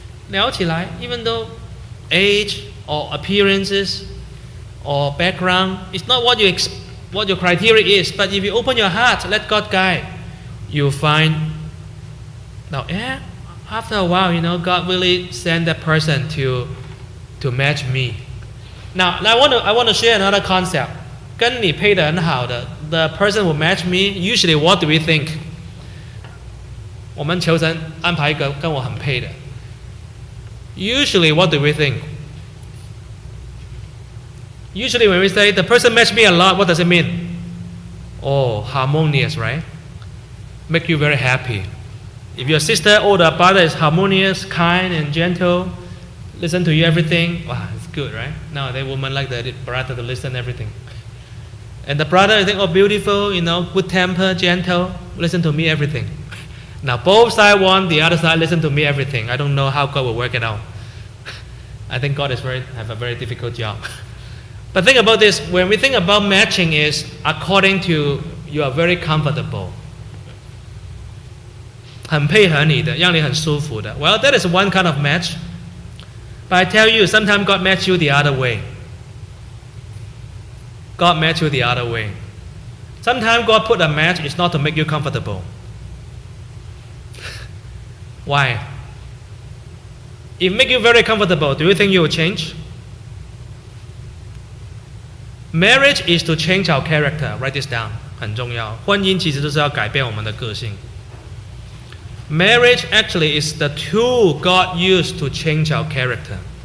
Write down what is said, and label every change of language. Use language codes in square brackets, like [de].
[zh] 聊起来, [en] even though age or appearances or background, it's not what you expect, what your criteria is, but if you open your heart, let God guide, you'll find, now, yeah, after a while, you know, God really sent that person to match me. Now, I want to share another concept. [zh] 跟你配得很好的, [en] the person who match me, usually what do we think? [zh] 我们求神安排一个跟我很配的。 [en] Usually what do we think? Usually when we say, the person matched me a lot, what does it mean? Oh, harmonious, right? Make you very happy. If your sister or the brother is harmonious, kind and gentle, listen to you everything, wow, it's good, right? Nowadays, women like the brother to listen everything. And the brother, I think, oh, beautiful, you know, good temper, gentle, listen to me everything. Now, both sides want, the other side listen to me everything. I don't know how God will work it out. I think God is have a very difficult job. But think about this, when we think about matching is according to you are very comfortable. [zh] 很配合你的, 让你很舒服的. [en] Well, that is one kind of match. But I tell you, sometimes God matches you the other way. God matches you the other way. Sometimes God put a match, it's not to make you comfortable. Why? If it makes you very comfortable, do you think you will change? Marriage is to change our character. Write this down. [zh] 很重要. 婚姻其实就是要改变我们的个性。 [en] Marriage actually is the tool God used to change our character.